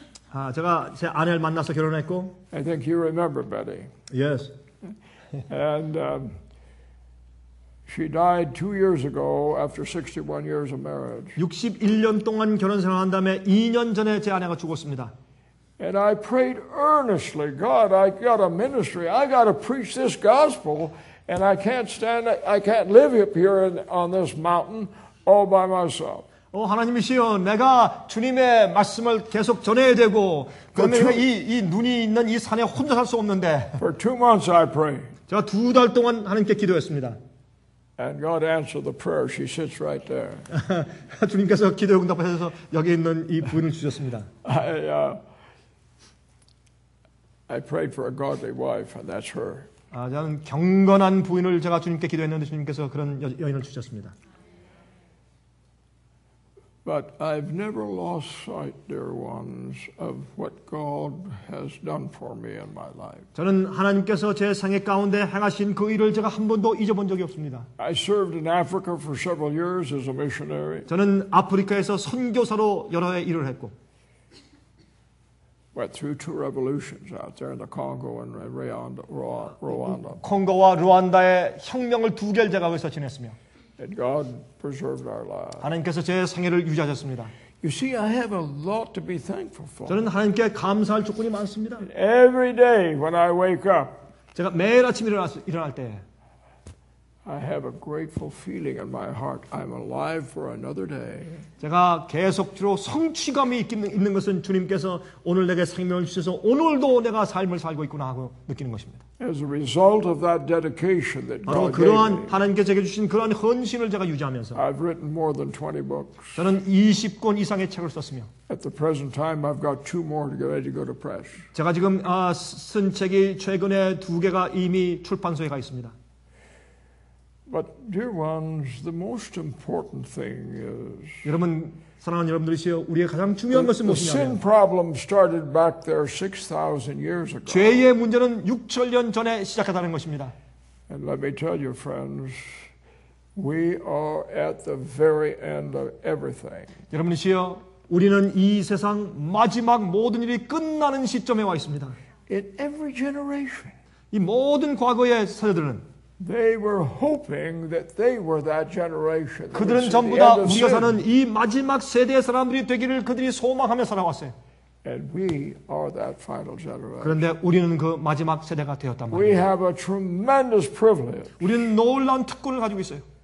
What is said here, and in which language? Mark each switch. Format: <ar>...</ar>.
<ko>아, 제가 제 아내를 만나서 결혼했고.</ko> <en>I think you remember Betty. Yes. And she died 2 years ago after 61 years of marriage.</en> <ko>61년 동안 결혼 생활한 다음에 2년 전에 제 아내가 죽었습니다.</ko> <en>And I prayed earnestly, God, I got a ministry. I got to preach this gospel, and I can't stand. I can't live up here on this mountain all by myself.</en> <ko>오 하나님이시여, 내가 주님의 말씀을 계속 전해야 되고, 그러면 이 눈이 있는 이 산에 혼자 살 수 없는데.</ko> <en>For 2 months, I prayed.</en> <ko>제가 두 달 동안 하나님께 기도했습니다.</ko> <en>And God answered the prayer. She sits right there.</en> <ko>주님께서 기도 응답하셔서 여기 있는 이 부인을 주셨습니다.</ko> <en>I prayed for a godly wife, and that's her.</en> <ko>아, 저는 경건한 부인을 제가 주님께 기도했는데 주님께서 그런 여인을 주셨습니다.</ko> <en>But I've never lost sight, dear ones, of what God has done for me in my life.</en> <ko>저는 하나님께서 제 생애 가운데 행하신 그 일을 제가 한 번도 잊어본 적이 없습니다.</ko> <en>I served in Africa for several years as a missionary.</en> <ko>저는 아프리카에서 선교사로 여러 해 일을 했고.</ko> <en>Went through two revolutions out there in the Congo and Rwanda.</en> <ko>콩고와 루안다의 혁명을 두 개를 제가 거기서 지냈으며.</ko> <en>And God preserved our lives.</en> <ko>하나님께서 제 생애를 유지하셨습니다.</ko> <en>You see, I have a lot to be thankful for.</en> <ko>저는 하나님께 감사할 조건이 많습니다.</ko> <en>Every day when I wake up,</en> <ko>제가 매일 아침 일어날 때,</ko> <en>I have a grateful feeling in my heart. I'm alive for another day.</en> <ko>제가 계속적으로 성취감이 있는 것은 주님께서 오늘 내게 생명을 주셔서 오늘도 내가 삶을 살고 있구나 하고 느끼는 것입니다.</ko> <en>As a result of that dedication that God gave me,</en> <ko>바로 그러한 하나님께 제게 주신 그러한 헌신을 제가 유지하면서,</ko> <en>I've written more than 20 books.</en> <ko>저는 20권 이상의 책을 썼으며,</ko> <en>at the present time, I've got 2 more to get ready to go to press.</en> <ko>제가 지금 쓴 책이 최근에 두 개가 이미 출판소에 가 있습니다.</ko> <en>But dear ones, the most important thing is.</en> <ko>여러분 사랑하는 여러분들이시여, 우리의 가장 중요한 것은 무엇이냐?</ko> <en>The sin problem started back there 6,000 years ago.</en> <ko>죄의 문제는 6,000년 전에 시작했다는 것입니다.</ko> <en>And let me tell you, friends, we are at the very end of everything.</en> <ko>여러분이시여, 우리는 이 세상 마지막 모든 일이 끝나는 시점에 와 있습니다.</ko> <en>In every generation,</en> <ko>이 모든 과거의 세대들은</ko> <en>they were hoping that they were that generation.</en> <ko>그들은 전부 다 우리가 사는 이 마지막 세대의 사람들이 되기를 그들이 소망하며 살아왔어요.</ko> <en>And we are that final generation.</en> <ko>그런데 우리는 그 마지막 세대가 되었단 말이에요.</ko> <en>We have a tremendous privilege.</en> <ko>우리는 놀라운 특권을 가지고 있어요.</ko>